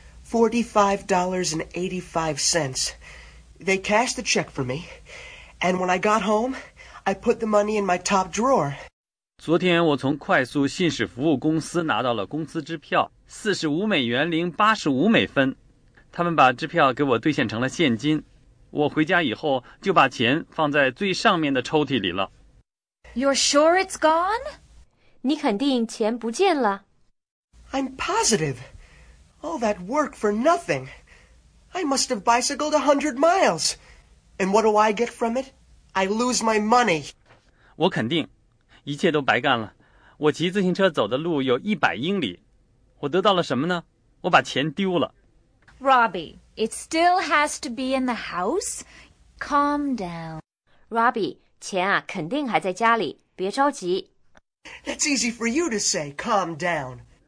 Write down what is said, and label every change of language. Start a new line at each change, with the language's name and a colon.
English: $45.85. They cashed the check for me, and when I got home, I put the money in my top drawer.
Chinese: 昨天我从快速信使服务公司拿到了工资支票$45.85。他们把支票给我兑现成了现金。我回家以后就把钱放在最上面的抽屉里了。
English: You're sure it's gone?
Chinese: 你肯定钱不见了。
English: I'm positive. All that work for nothing. I must have bicycled 100 miles. And what do I get from it? I lose my money.
Chinese: 我肯定，一切都白干了。我骑自行车走的路有100英里。我得到了什么呢？我把钱丢了。
English: Robbie, it still has to be in the house. Calm down.
Chinese: Robbie, 钱啊，肯定还在家里，别着急。
English: That's easy for you to say, calm down.